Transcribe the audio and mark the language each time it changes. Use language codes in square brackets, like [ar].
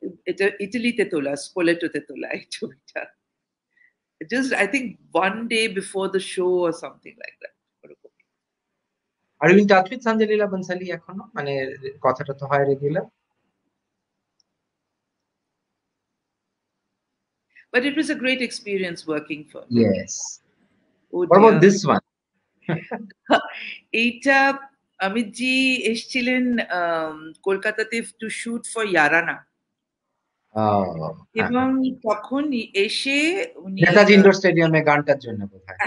[bn] এটা ইটালিতে তোলা, স্পোলেটোতে তোলা এই ছবিটা, [en] Just I think one day before the show or something like that. [bn] Aurobindo touch with Sanjay Leela Bhansali এখনো, মানে কথাটা তো হয় regular? [en] But it was a great experience working for me. Yes. Oh What dear. about this one? [bn] এইটা অমিত জি এসেছিলেন কলকাতাতে [en] to shoot for Yaarana, [bn] এবং তখন এসে উনি নেতাজি ইন্ডোর স্টেডিয়ামে গানটার জন্য বোধহয়,